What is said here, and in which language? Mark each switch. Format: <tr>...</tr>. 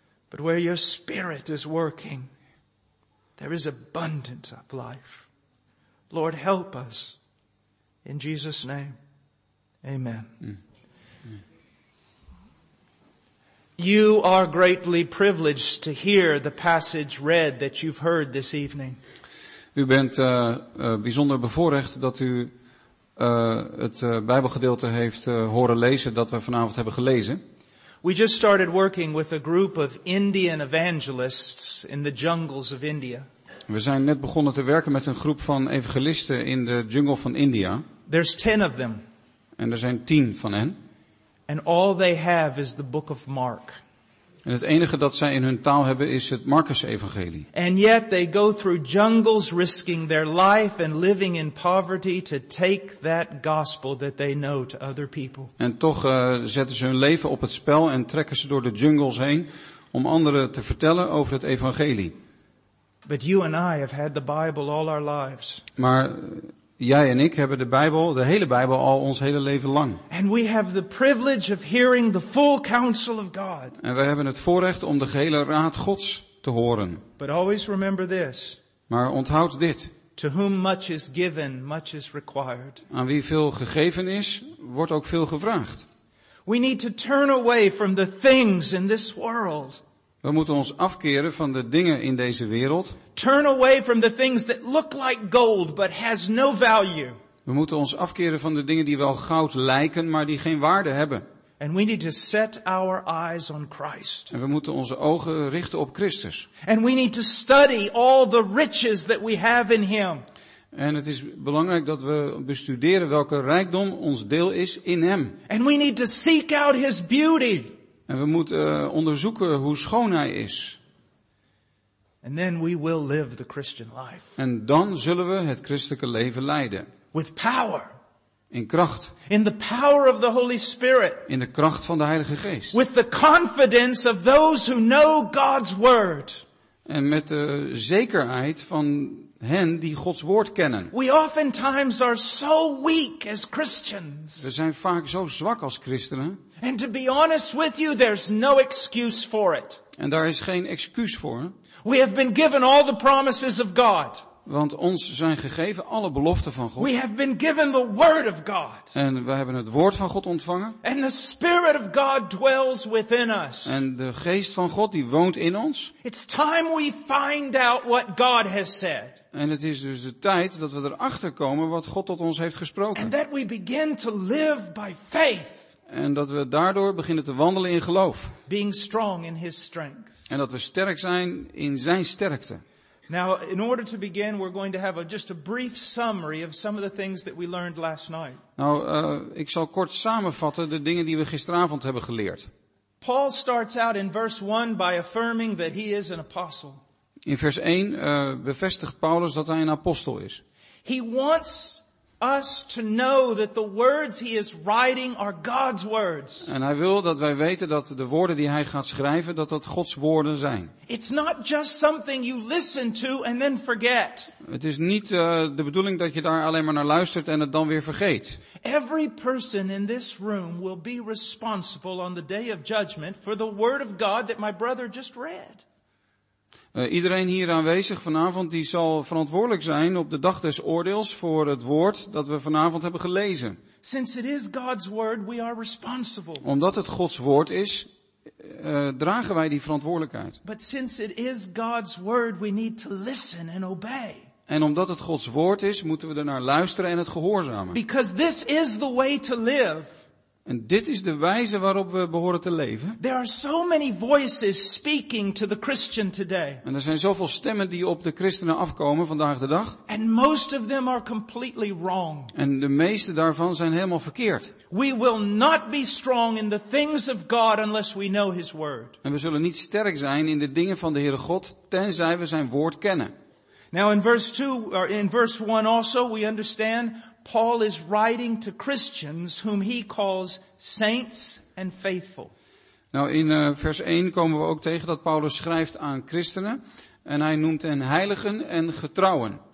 <en>But where your Spirit is working, there is abundance of life. Lord, help us in Jesus' name. Amen. Mm. You are greatly privileged to hear the passage read that you've heard this evening.</en> <nl>U bent bijzonder bevoorrecht dat u het Bijbelgedeelte heeft horen lezen dat we vanavond hebben gelezen.</nl> <en>We just started working with a group of Indian evangelists in the jungles of India.</en> <nl>We zijn net begonnen te werken met een groep van evangelisten in de jungle van India.</nl> <en>There's 10 of them.</en> <nl>En er zijn 10 van hen.</nl> <en>And all they have is the book of Mark.</en> <nl>En het enige dat zij in hun taal hebben is het Marcus-evangelie.</nl> <en>And yet they go through jungles risking their life and living in poverty to take that gospel that they know to other people.</en> <nl>En toch zetten ze hun leven op het spel en trekken ze door de jungles heen om anderen te vertellen over het evangelie.</nl> <en>But you and I have had the Bible all our lives.</en> <nl>Maar jij en ik hebben de Bijbel, de hele Bijbel, al ons hele leven lang.</nl> <en>And we have the privilege of hearing the full counsel of God.</en> <nl>En we hebben het voorrecht om de gehele raad Gods te horen.</nl> <en>But always remember this.</en> <nl>Maar onthoud dit.</nl> <en>To whom much is given, much is required.</en> <nl>Aan wie veel gegeven is, wordt ook veel gevraagd.</nl> <en>We need to turn away from the things in this world.</en> <nl>We moeten ons afkeren van de dingen in deze wereld.</nl> <en>Turn away from the things that look like gold but has no value.</en> <nl>We moeten ons afkeren van de dingen die wel goud lijken, maar die geen waarde hebben.</nl> <en>And we need to set our eyes on Christ.</en> <nl>En we moeten onze ogen richten op Christus.</nl> <en>And we need to study all the riches that we have in Him.</en> <nl>En het is belangrijk dat we bestuderen welke rijkdom ons deel is in Hem.</nl> <en>And we need to seek out His beauty.</en> <nl>En we moeten onderzoeken hoe schoon hij is.</nl> <en>And then we will live the Christian life.</en> <nl>En dan zullen we het christelijke leven leiden.</nl> <en>With power.</en> <nl>In kracht.</nl> <en>In the power of the Holy Spirit.</en> <nl>In de kracht van de Heilige Geest.</nl> <en>With the confidence of those who know God's word.</en> <nl>En met de zekerheid van hen die Gods woord kennen.</nl> <en>We oftentimes are so weak as Christians.</en> <nl>We zijn vaak zo zwak als christenen.</nl> <en>And to be honest with you, there's no excuse for it.</en> <nl>En daar is geen excuus voor.</nl> <en>We have been given all the promises of God.</en> <nl>Want ons zijn gegeven alle beloften van God.</nl> <en>We have been given the word of God.</en> <nl>En we hebben het woord van God ontvangen.</nl> <en>And the spirit of God dwells within us.</en> <nl>En de geest van God die woont in ons.</nl> <en>It's time we find out what God has said.</en> <nl>En het is dus de tijd dat we erachter komen wat God tot ons heeft gesproken.</nl> <en>And that we begin to live by faith.</en> <nl>En dat we daardoor beginnen te wandelen in geloof.</nl> <en>Being strong in his strength.</en> <nl>En dat we sterk zijn in zijn sterkte.</nl> <en>Now, in order to begin, we're going to have just a brief summary of some of the things that we learned last night.</en> <nl>Nou, ik zal kort samenvatten de dingen die we gisteravond hebben geleerd.</nl> <en>Paul starts out in verse 1 by affirming that he is an apostle.</en> <nl>In vers 1 bevestigt Paulus dat hij een apostel is.</nl> <en>He wants us to know that the words he is writing are God's words.</en> <nl>En hij wil dat wij weten dat de woorden die hij gaat schrijven, dat dat Gods woorden zijn.</nl> <en>It's not just something you listen to and then forget.</en> <nl>Het is niet de bedoeling dat je daar alleen maar naar luistert en het dan weer vergeet.</nl> <en>Every person in this room will be responsible on the day of judgment for the word of God that my brother just read.</en> <nl>Iedereen hier aanwezig vanavond die zal verantwoordelijk zijn op de dag des oordeels voor het woord dat we vanavond hebben gelezen.</nl> <en>Since it is God's word, we are responsible.</en> <nl>Omdat het Gods woord is, dragen wij die verantwoordelijkheid.</nl> <en>But since it is God's word, we need to listen and obey.</en> <nl>En omdat het Gods woord is, moeten we ernaar luisteren en het gehoorzamen.</nl> <en>Because this is the way to live.</en> <nl>En dit is de wijze waarop we behoren te leven.</nl> <en>There are so many voices speaking to the Christian today.</en> <nl>En er zijn zoveel stemmen die op de christenen afkomen vandaag de dag.</nl> <en>And most of them are completely wrong.</en> <nl>En de meeste daarvan zijn helemaal verkeerd.</nl> <en>We will not be strong in the things of God unless we know his word.</en> <nl>En we zullen niet sterk zijn in de dingen van de Heere God tenzij we zijn woord kennen.</nl> <en>Now in verse 2 or in verse 1 also we understand Paul is writing to Christians whom he calls saints and faithful.</en> <nl>Nou, in vers 1 komen we ook tegen dat Paulus schrijft aan christenen en hij noemt hen heiligen en getrouwen.</nl>